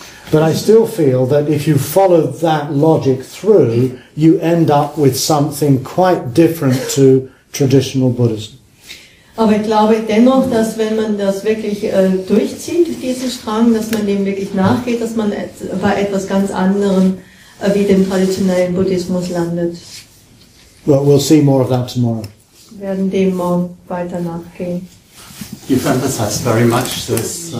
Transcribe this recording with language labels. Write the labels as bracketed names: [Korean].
[English] but I still feel that if you follow that logic through, you end up with something quite different to traditional Buddhism. [German] Aber ich glaube dennoch, dass wenn man das wirklich durchzieht, diesen Strang, dass man dem wirklich nachgeht, dass man bei etwas ganz anderem wie dem traditionellen Buddhismus landet. [English] Well, we'll see more of that tomorrow. [German] Wir werden dem morgen weiter nachgehen. [English] You've emphasized very much this.